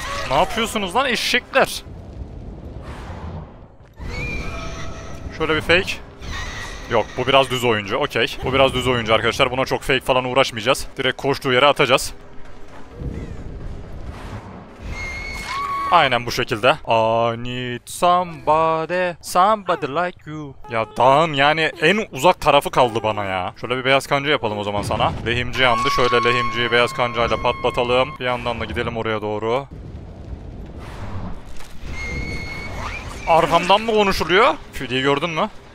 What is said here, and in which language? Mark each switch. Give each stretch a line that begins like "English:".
Turkish: Ne yapıyorsunuz lan eşekler? Şöyle bir fake. Yok, bu biraz düz oyuncu. Okey. Bu biraz düz oyuncu arkadaşlar. Buna çok fake falan uğraşmayacağız. Direkt koştuğu yere atacağız. Aynen bu şekilde.
English: I need somebody, somebody like you.
Turkish: Ya dağın yani en uzak tarafı kaldı bana ya. Şöyle bir beyaz kanca yapalım o zaman sana. Lehimci yandı. Şöyle lehimciyi beyaz kancayla patlatalım. Bir yandan da gidelim oraya doğru. Arkamdan mı konuşuluyor? Fili'yi gördün mü?